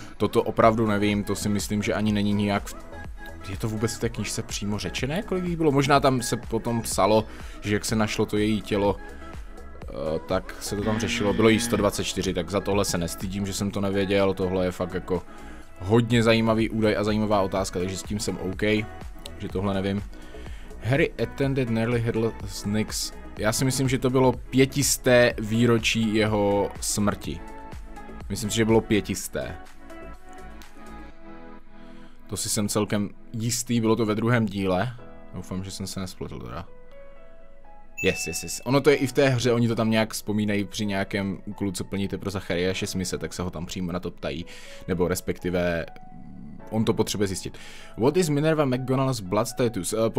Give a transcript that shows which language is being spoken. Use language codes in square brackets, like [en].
[cs] Toto opravdu nevím, to si myslím, že ani není nijak... Je to vůbec v té knižce přímo řečené, kolik jich bylo? Možná tam se potom psalo, že jak se našlo to její tělo, tak se to tam řešilo. Bylo jí 124, tak za tohle se nestydím, že jsem to nevěděl. Tohle je fakt jako hodně zajímavý údaj a zajímavá otázka, takže s tím jsem OK, že tohle nevím. [en] Harry attended nearly headless Nick's. [cs] Já si myslím, že to bylo 500. výročí jeho smrti. Myslím si, že bylo 500. To si jsem celkem jistý, bylo to ve druhém díle. Doufám, že jsem se nespletl teda. [en] Yes. [cs] Ono to je i v té hře, oni to tam nějak vzpomínají při nějakém úkolu, co plníte pro Zachariáše Smise, tak se ho tam přímo na to ptají. Nebo respektive... On to potřebuje zjistit. [en] What is Minerva McGonagall's blood status?